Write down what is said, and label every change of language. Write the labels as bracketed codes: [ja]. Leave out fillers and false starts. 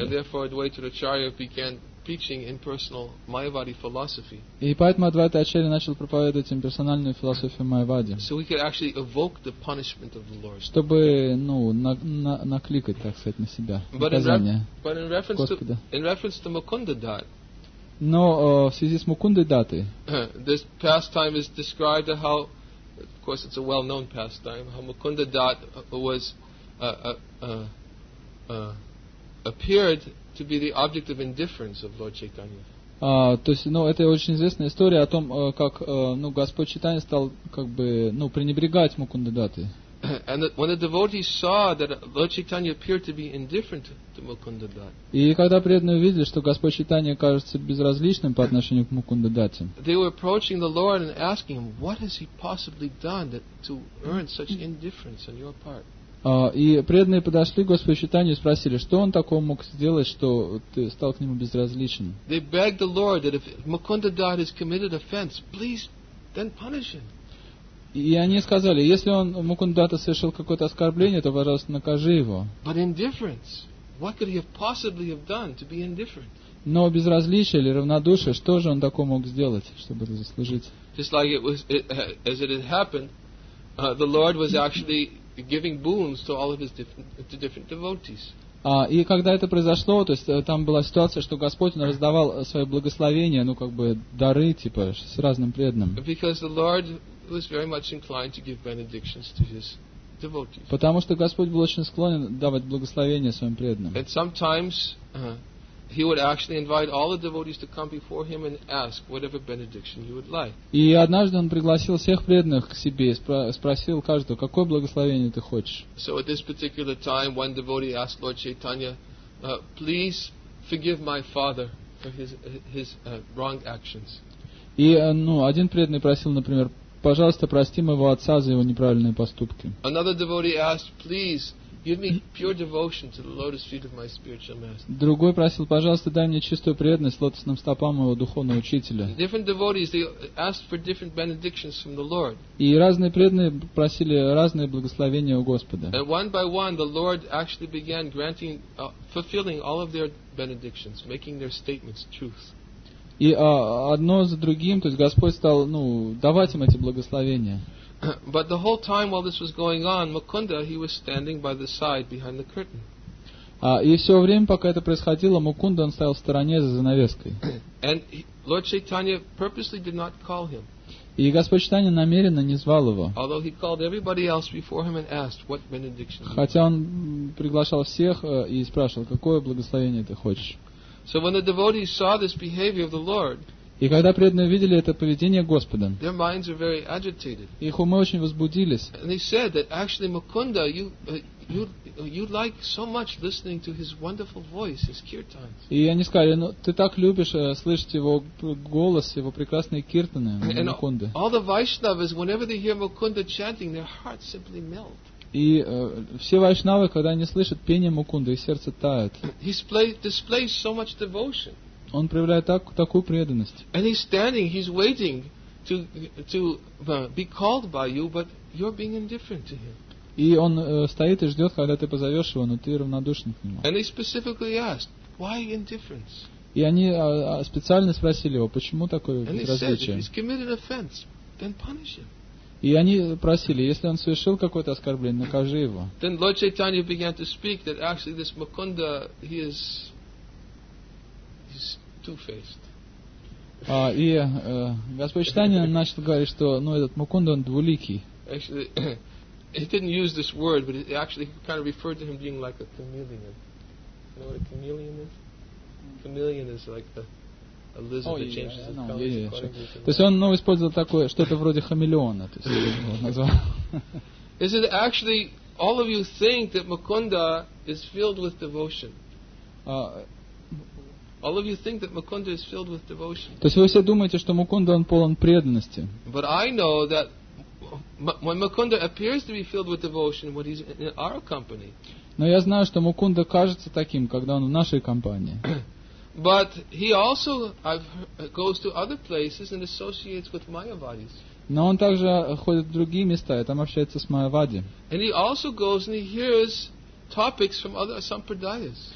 [en] And therefore Advaita Acharya began preaching impersonal Mayavadi philosophy. [ru] И поэтому Адвайта Ачарья начал проповедовать имперсональную философию Майявади. [en] So he could actually evoke the punishment of the Lord. [ru] Чтобы накликать, так сказать, на себя наказание. [en] But in reference to Mukunda Dutt, [ru] но в связи с Мукундой даты. [en] This pastime is described how, of course, it's a well-known pastime. How Mukunda Dutt was appeared to be the object of indifference of Lord Chaitanya. [ru] Это очень известная история о том, как Господь Чайтанья стал пренебрегать Мукунда даты. [en] And when the devotees saw that Lord Chaitanya appeared to be indifferent to Mukunda Dutt, [ru] и когда преданные увидели, что Господь Чайтанья кажется безразличным по отношению к Мукунда Датте, [en] they were approaching the Lord and asking him, what has he possibly done that to earn such indifference on your part? [ru] И преданные подошли к Господу Чайтанье и спросили, что он такого мог сделать, что ты стал к нему безразличен? [en] They begged the Lord that if Mukunda Dutt has committed offense, please then punish him. [ru] И они сказали, если он Мукундата совершил какое-то оскорбление, то, пожалуйста, накажи его. [en] But indifference. What could he possibly have done to be indifferent? [ru] Но безразличие или равнодушие, что же он такого мог сделать, чтобы это заслужить? [en] Just like it was, as it had happened, the Lord was actually giving boons to all of his different devotees. [ru] И когда это произошло, то есть там была ситуация, что Господь он раздавал свое благословение, дары типа с разным преданным. [en] Because the Lord was very much inclined to give benedictions to his devotees. [ru] Потому что Господь был очень склонен давать благословения своим преданным. [en] And sometimes he would actually invite all the devotees to come before him and ask whatever benediction you would like. [ru] И однажды он пригласил всех преданных к себе и спросил каждого, какое благословение ты хочешь. [en] So at this particular time, one devotee asked Lord Chaitanya, please forgive my father for his wrong actions. [ru] И один преданный просил, например, пожалуйста, прости моего отца за его неправильные поступки. [en] Another devotee asked, please give me pure devotion to the lotus feet of my spiritual master. [ru] Другой просил, пожалуйста, дай мне чистую преданность лотосным стопам моего духовного учителя. [en] Different devotees, they asked for different benedictions from the Lord. [ru] И разные преданные просили разные благословения у Господа. [en] And one by one, the Lord actually began granting, fulfilling all of their benedictions, making their statements truth. [ru] И одно за другим, то есть Господь стал давать им эти благословения. [en] But the whole time while this was going on, Mukunda, he was standing by the side behind the curtain. [ru] И все время, пока это происходило, Мукунда, он стоял в стороне за занавеской. [en] And Lord Chaitanya purposely did not call him. [ru] И Господь Чайтанья намеренно не звал его. [en] Although he called everybody else before him and asked what benediction. [ru] Хотя он приглашал всех и спрашивал, какое благословение ты хочешь. [en] So when the devotees saw this behavior of the Lord, [ru] И когда преданные видели это поведение Господа, [en] their minds are very agitated. [ru] Их умы очень возбудились. [en] And they said that actually Mukunda, you like so much listening to his wonderful voice, his kirtans. [ru] И они сказали, ну ты так любишь слышать его голос, его прекрасные киртаны, Мукунды. [en] All the Vaishnavas, whenever they hear Mukunda chanting, their hearts simply melt. [ru] И все вайшнавы, когда они слышат пение Мукунды, их сердце тает. [en] Displays so much devotion. [ru] Он проявляет такую преданность. [en] And he's standing, he's waiting to be called by you, but you're being indifferent to him. [ru] И он стоит и ждет, когда ты позовешь его, но ты равнодушен к нему. [en] And he specifically asked, why indifference? [ru] И они специально спросили его, почему такое безразличие? [en] And he said, if he's committed an offense, then punish him. [ru] И они просили, если он совершил какое-то оскорбление, накажи его. [en] Then Lord Chaitanya began to speak that actually this Mukunda, he is two-faced. [ru] И Господь Чайтанья начал говорить, что этот Мукунда, он двуликий. [en] Actually, he didn't use this word, but it actually kind of referred to him being like a chameleon. You know what a chameleon is? Chameleon is like a lizard that changes its colors. [ru] То есть он использовал такое что-то вроде хамелеона, то есть его назвал. [en] Is it actually all of you think that Mukunda is filled with devotion? All of you think that Mukunda is filled with devotion. [ru] То есть вы все думаете, что Мукунда он полон преданности. [en] But I know that when Mukunda appears to be filled with devotion when he's in our company. [ru] Но я знаю, что Мукунда кажется таким, когда он в нашей компании. [en] But he also goes to other places and associates with Mayavadis. [ru] Но он также ходит в другие места и там общается с Майавади. [en] And he also goes and he hears topics from other sampradayas.